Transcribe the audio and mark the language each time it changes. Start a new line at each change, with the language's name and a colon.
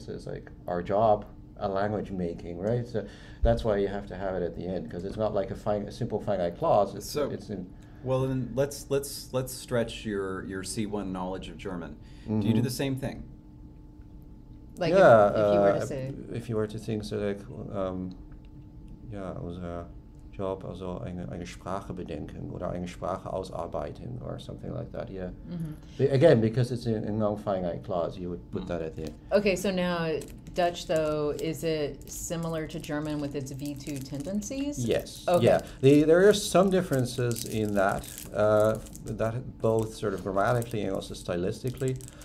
English: So it's like our job, a language making, right? So that's why you have to have it at the end, because it's not like a simple finite clause. Well, then let's stretch your C1 knowledge of German. Mm-hmm. Do you do the same thing? Like yeah, if you were to think so like.
German: Ja, unser Job, also eine Sprache bedenken oder eine Sprache ausarbeiten
English: or something like that, yeah. Mm-hmm. Again, because it's a non-finite clause, you would put that at the end. Okay, so now Dutch, though, is it similar to German with its V2 tendencies? Yes. Okay. Yeah. There are some differences in that, that both sort of grammatically and also stylistically.